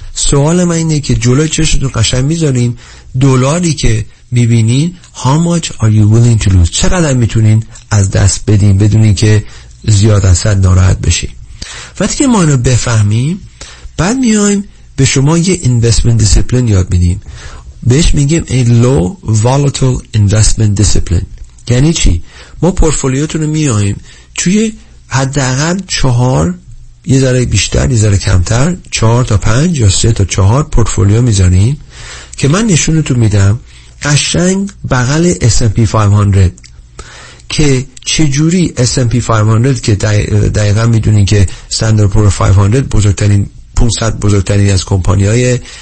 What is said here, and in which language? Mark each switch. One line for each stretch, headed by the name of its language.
Persian: سوال من اینه که جلوی چشتون قشنگ میذاریم دلاری که میبینین،
English: How much are you willing to lose؟
Persian: چقدر میتونین از دست بدین بدون این که زیاد از حد ناراحت بشین. وقتی که ما اینو بفهمیم، بعد میایم به شما یه
English: investment discipline
Persian: یاد میدیم. بهش میگیم
English: a low volatile investment discipline.
Persian: یعنی چی؟ ما پورتفولیوتون رو میایم توی حداقل 4، یه ذره بیشتر یه ذره کمتر، 4 تا 5 یا 3 تا 4 پورتفولیو میذارین که من نشونتون میدم قشنگ بغل S&P 500 که چجوری S&P 500 که دقیقا میدونین که Standard & Poor's 500 بزرگترین 500 بزرگترین از کمپانیای